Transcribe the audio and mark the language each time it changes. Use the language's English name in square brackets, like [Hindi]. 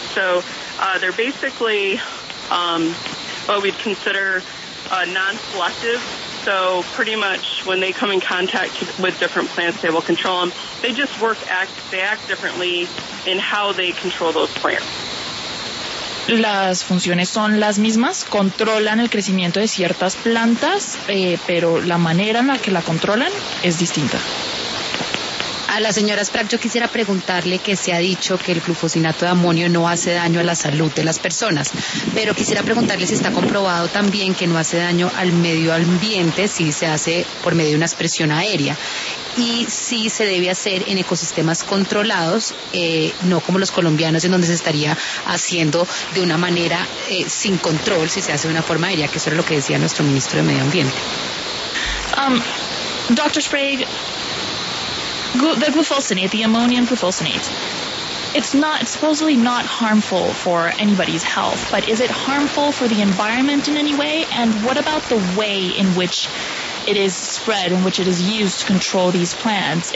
[English] So they're basically what we'd consider non-selective. So pretty much when they come in contact with different plants, they will control them. They just act differently in how they control those plants. [Spanish] Las funciones son las mismas, controlan el crecimiento de ciertas plantas, pero la manera en la que la controlan es distinta. A la señora Sprague, yo quisiera preguntarle que se ha dicho que el glufosinato de amonio no hace daño a la salud de las personas, pero quisiera preguntarle si está comprobado también que no hace daño al medio ambiente si se hace por medio de una expresión aérea y si se debe hacer en ecosistemas controlados, no como los colombianos, en donde se estaría haciendo de una manera sin control si se hace de una forma aérea, que eso era lo que decía nuestro ministro de Medio Ambiente. [English] Dr. Sprague, the glufosinate, the ammonium glufosinate, it's supposedly not harmful for anybody's health, but is it harmful for the environment in any way? And what about the way in which it is spread, in which it is used to control these plants?